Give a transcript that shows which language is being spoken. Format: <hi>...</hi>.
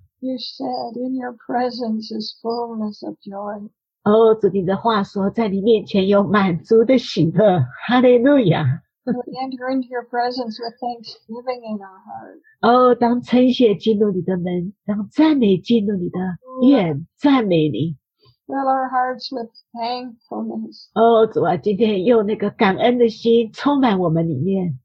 <en>You said, in your presence is fullness of joy.</en> <zh>Oh, 主你的话说，在你面前有满足的喜乐。</zh> <en>Hallelujah. We enter into your presence with thanksgiving in our heart.</en> <zh>Oh, 当称谢进入你的门，当赞美进入你的院，赞美你。</zh> <en>Fill our hearts with thankfulness.</en> <zh>Oh, 主啊，今天用那个感恩的心充满我们里面。</zh>